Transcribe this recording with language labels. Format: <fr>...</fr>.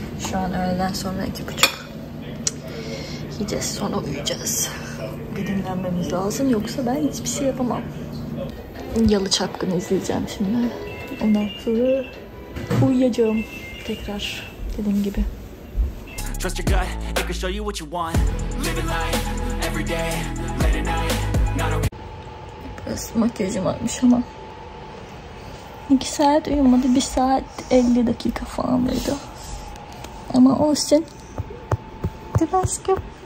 <tr>Şu an öğleden sonra 2.30. Yiyeceğiz sonra uyuyacağız. Bir dinlenmemiz lazım yoksa ben hiçbir şey yapamam. Yalı Çapkın'ı izleyeceğim şimdi. Ondan sonra uyuyacağım tekrar dediğim gibi.</tr> <en>Trust your gut, it can show you what you want. Living life, every day, late at night, not okay.</en> <tr>Burası makyajım varmış ama 2 saat uyumadı, 1 saat 50 dakika falan mıydı? Ama olsun. Biraz göp.</tr>